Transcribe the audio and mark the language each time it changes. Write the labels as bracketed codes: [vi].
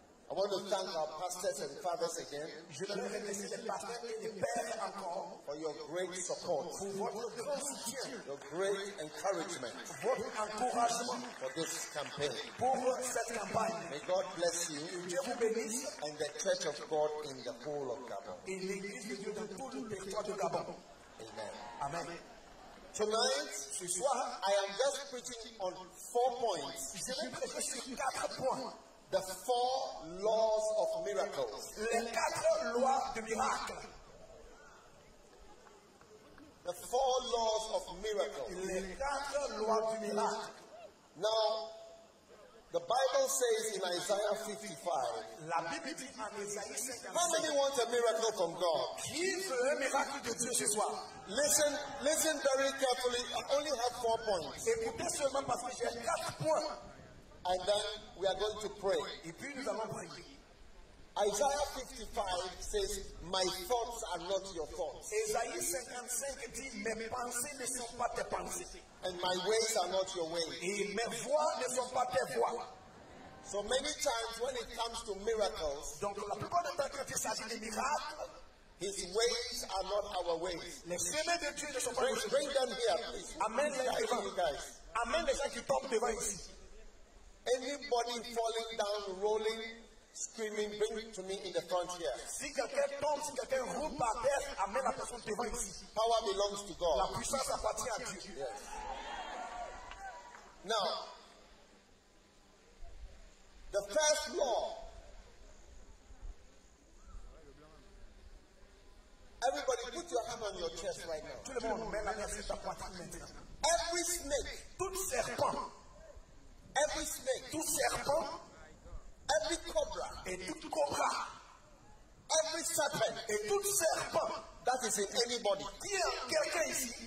[en] I want to thank our pastors and fathers again. [fr] Je veux remercier les pasteurs et les pères encore [en] for your great support, [fr] pour votre grand soutien, [en] your great encouragement, [fr] votre encouragement [en] for this campaign, [fr] pour cette campagne. [en] May God bless you, [fr] Dieu vous bénisse, [en] and the Church of God in the whole of Gabon. [fr] Et l'Église de Dieu dans tout le territoire de Gabon. [en] Amen. [fr] Amen. [en] Tonight, [fr] ce soir, [en] I am just preaching on 4 points. [fr] Je vais prêcher sur 4 points. [en] The 4 laws of miracles. [fr] Les 4 lois de miracle. [en] The 4 laws of miracles. [fr] Les 4 lois du miracle. [en] Now, the Bible says in Isaiah 55. [fr] La Bible dit en Isaïe 55. [en] How many want a miracle from God? [fr] Qui veut un miracle de Dieu ce soir? [en] Listen, listen very carefully. I only have 4 points. [fr] Écoutez seulement parce que j'ai 4 points. [en] And then we are going to pray. Isaiah 55 says, "My thoughts are not your thoughts." [fr] Isaiah 55 dit, "Mes pensées ne sont pas tes pensées." [en] And my ways are not your ways. [fr] Et mes voies ne sont pas tes voies. [en] So many times when it comes to miracles, [fr] donc la plupart des temps quand il s'agit de miracles, [en] His ways are not our ways. [fr] Les chemins de Dieu ne sont pas nos chemins. [en] Bring them here, please. [fr] Amen, les gens. [en] Guys. [fr] Amen, les gens qui tombent devant ici. [en] Anybody falling down, rolling, screaming, bring to me in the front here. [fr] Si quelqu'un tombe, si quelqu'un roule par terre, amène la personne devant ici. [en] Power belongs to God. [fr] La puissance appartient à Dieu. [en] Yes. Now, the first law. Everybody, put your hand on your chest right now. [fr] Tout le monde, mets la main sur ta poitrine. [en] Every snake, [fr] tout serpent. [en] Every snake, [fr] tout serpent, [en] every cobra, [fr] et toute cobra, [en] every serpent, [fr] et tout serpent, [en] that is in anybody, [fr] qui est quelqu'un ici,